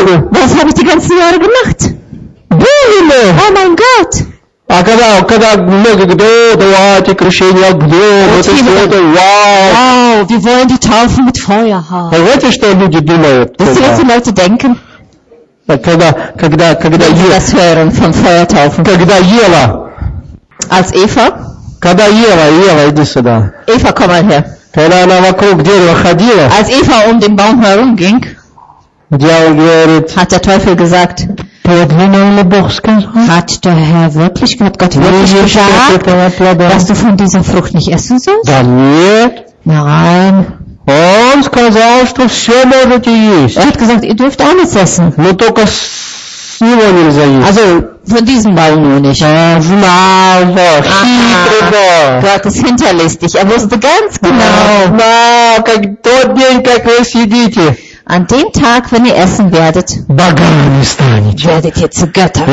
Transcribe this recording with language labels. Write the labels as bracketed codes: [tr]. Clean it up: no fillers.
[de] Was habe ich die ganzen Jahre gemacht? Oh mein Gott! [ru] А когда многие говорят, давайте крещение огнем, вот это все это, вау! [de] Wir wollen die Taufe mit Feuer haben. [ru] Знаете, что люди думают? [de] Wisst ihr, was die Leute denken? [ru] Когда [de] das hören von Feuertaufen. [ru] Когда Ева. [de] Als Eva. [ru] Когда Ева, иди сюда. [de] Eva, komm mal her. [ru] Когда она вокруг дерева ходила, [de] als Eva den Baum herumging, [ru] дьявол говорит, [de] hat der Teufel gesagt, hat der Herr wirklich, hat Gott wirklich gesagt, dass du von dieser Frucht nicht essen sollst? Nein. [ru] Он сказал, что все можете есть. [de] Er hat gesagt, ihr dürft alles essen. [ru] Но только с него нельзя есть. [de] Also, von diesem Baum nur nicht. Gott ist hinterlistig. Er wusste ganz genau. An dem Tag, wenn ihr essen werdet, werdet ihr zu Göttern.